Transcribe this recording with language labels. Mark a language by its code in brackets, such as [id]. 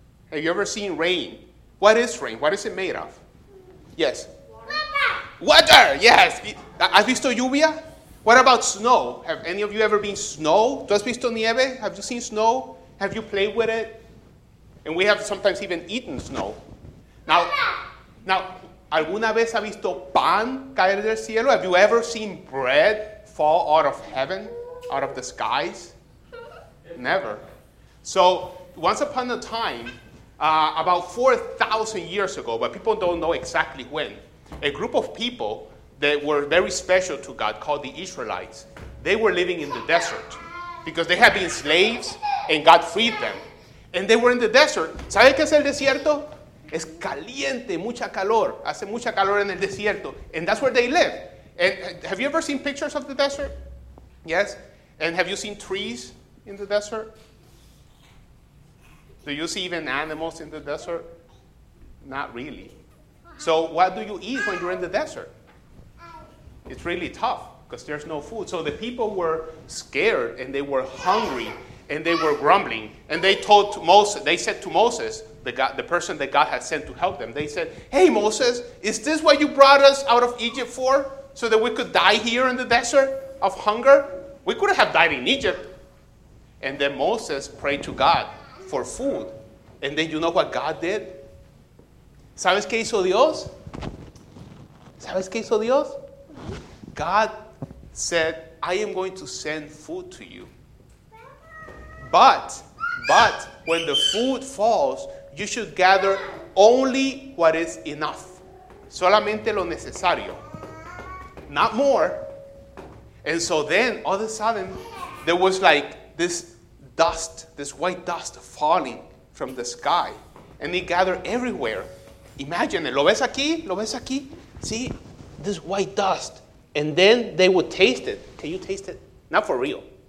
[en] Have you ever seen rain? What is rain? What is it made of? Yes. Water. Yes. [es] ¿Has visto lluvia? [en] What about snow? Have any of you ever been snow? [es] ¿Tú has visto nieve? [en] Have you seen snow? Have you played with it? And we have sometimes even eaten snow. Now, [es] ¿alguna vez ha visto pan caer del cielo? [en] Have you ever seen bread fall out of heaven, out of the skies? Never. So once upon a time, about 4,000 years ago, but people don't know exactly when, a group of people that were very special to God, called the Israelites, they were living in the desert because they had been slaves and God freed them. And they were in the desert. [es] ¿Sabe qué es el desierto? Es caliente, mucha calor. Hace mucha calor en el desierto. [en] And that's where they live. And have you ever seen pictures of the desert? Yes? And have you seen trees in the desert? Do you see even animals in the desert? Not really. So what do you eat when you're in the desert? It's really tough because there's no food. So the people were scared and they were hungry and they were grumbling. And they told Moses, they said to Moses, the person that God had sent to help them, they said, "Hey, Moses, is this what you brought us out of Egypt for? So that we could die here in the desert of hunger? We could have died in Egypt." And then Moses prayed to God for food. And then you know what God did? [es] ¿Sabes qué hizo Dios? ¿Sabes qué hizo Dios? [en] God said, "I am going to send food to you. But when the food falls, you should gather only what is enough. [es] Solamente lo necesario. [en] Not more." And so then, all of a sudden, there was like this dust, this white dust falling from the sky. And it gathered everywhere. Imagine it. [es] ¿Lo ves aquí? ¿Lo ves aquí? [en] See, this white dust. And then they would taste it. Can you taste it? Not for real.